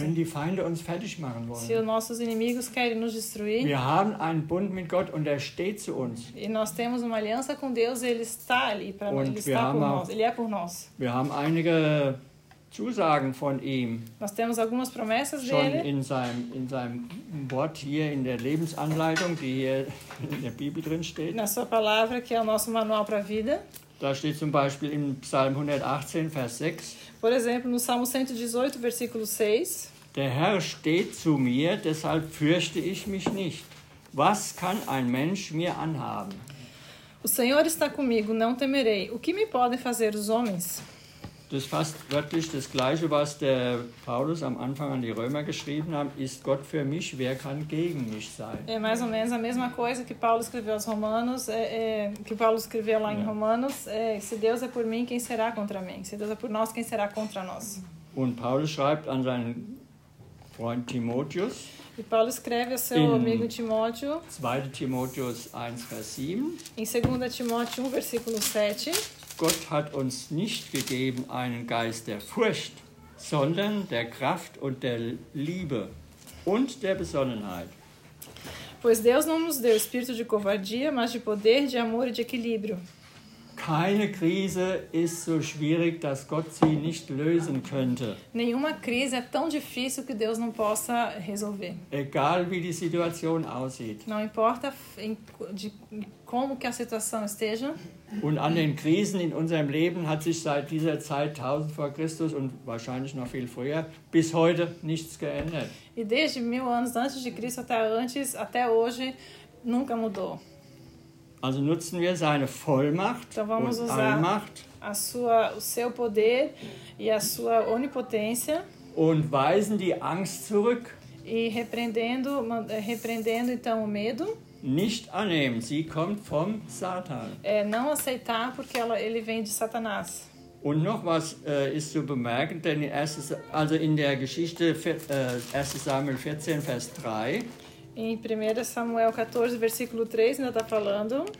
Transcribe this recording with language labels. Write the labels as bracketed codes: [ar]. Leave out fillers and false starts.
[de] Wenn die Feinde uns fertig machen wollen. [pt] Se os nossos inimigos querem nos destruir. [de] Wir haben einen Bund mit Gott und er steht zu uns. [pt] E nós temos uma aliança com Deus, ele está ali para nós, ele está por nós, ele é por nós. [de] Wir haben einige Zusagen von ihm. [pt] Nós temos algumas promessas dele. [de] Schon in seinem Wort hier in der Lebensanleitung, die hier in der Bibel drin steht. [pt] Na sua palavra, que é o nosso manual para a vida. [de] Da steht zum Beispiel in Psalm 118, Vers 6. [pt] Por exemplo, no Salmo 118, versículo 6. [de] Der Herr steht zu mir, deshalb fürchte ich mich nicht. Was kann ein Mensch mir anhaben? [pt] O Senhor está comigo, não temerei. O que me podem fazer os homens? [de] Das ist fast wörtlich das Gleiche, was der Paulus am Anfang an die Römer geschrieben hat. Ist Gott für mich, wer kann gegen mich sein? [pt] É mais ou menos a mesma coisa que Paulo escreveu aos Romanos, que Paulo escreveu lá em Romanos. Se Deus é por mim, quem será contra mim? Se Deus é por nós, quem será contra nós? [de] Und Paulus schreibt an seinen Freund Timotheus. [pt] E Paulo escreve ao seu amigo Timóteo. [de] 2 Timotheus 1, Vers 7. [pt] Em 2 Timóteo 1, versículo 7. [de] Gott hat uns nicht gegeben einen Geist der Furcht, sondern der Kraft und der Liebe und der Besonnenheit. [pt] Pois Deus não nos deu espírito de covardia, mas de poder, de amor e de equilíbrio. [de] Keine Krise ist so schwierig, dass Gott sie nicht lösen könnte. [pt] Nenhuma crise é tão difícil que Deus não possa resolver. [de] Egal wie die Situation aussieht. [pt] Não importa de como que a situação esteja. [de] Und an den Krisen in unserem Leben hat sich seit dieser Zeit 1000 vor Christus und wahrscheinlich noch viel früher bis heute nichts geändert. [pt] E desde 1000 anos antes de Cristo até hoje nunca mudou. [de] Also nutzen wir seine Vollmacht und Allmacht, [pt] o seu poder e a sua onipotência, [de] und weisen die Angst zurück. [pt] E repreendendo então o medo. [de] Nicht annehmen, sie kommt vom Satan. [pt] Não aceitar, porque ele vem de Satanás. [de] Und noch was ist zu bemerken, denn in der Geschichte 1. Samuel 14, Vers 3. [pt] Em 1 Samuel 14, versículo 3, ainda está falando.